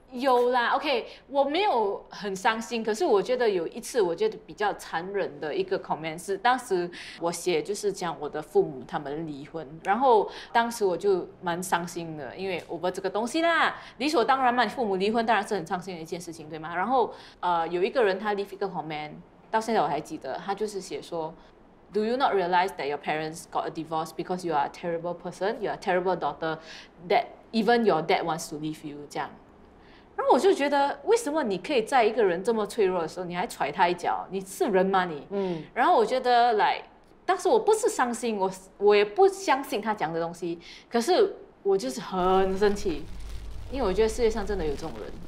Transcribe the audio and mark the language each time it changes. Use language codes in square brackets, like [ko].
[zh] 有啦 ，OK， 我没有很伤心，可是我觉得有一次我觉得比较残忍的一个 comment 是，当时我写就是讲我的父母他们离婚，然后当时我就蛮伤心的，因为over这个东西啦，理所当然嘛，你父母离婚当然是很伤心的一件事情，对吗？然后有一个人他 leave 一个 comment， 到现在我还记得，他就是写说 [en] ，Do you not realize that your parents got a divorce because you are a terrible person, you are a terrible daughter, that even your dad wants to leave you [zh] 这样。然后我就觉得，为什么你可以在一个人这么脆弱的时候，你还踹他一脚？你是人吗你？然后我觉得来，当时我不是伤心，我也不相信他讲的东西，可是我就是很生气，因为我觉得世界上真的有这种人。